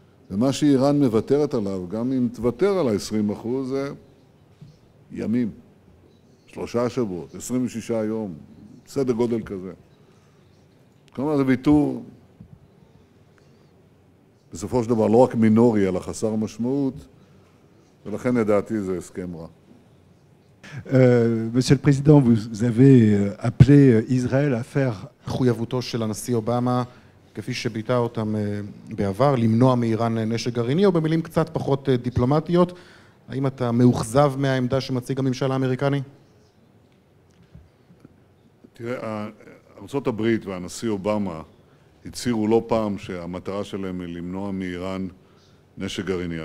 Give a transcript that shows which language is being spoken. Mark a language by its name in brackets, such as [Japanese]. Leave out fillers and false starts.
[Hebrew] ומה שאיראן מוותרת עליו, גם אם תוותר על ה-20%, זה ימים, 3 שבועות, 26 יום, סדר גודל כזה. כלומר, זה ויתור, בסופו של דבר, לא רק מינורי, אלא חסר משמעות, ולכן לדעתי זה הסכם רע. [French] Monsieur le Président, vous avez appelé Israël à faire... [Hebrew] מחויבותו של הנשיא אובמה, כפי שביטא אותם בעבר, למנוע מאיראן נשק גרעיני, או במילים קצת פחות דיפלומטיות. האם אתה מאוכזב מהעמדה שמציג הממשל האמריקני? תראה, ארצות הברית והנשיא אובמה הצהירו לא פעם שהמטרה שלהם היא למנוע מאיראן נשק גרעיני.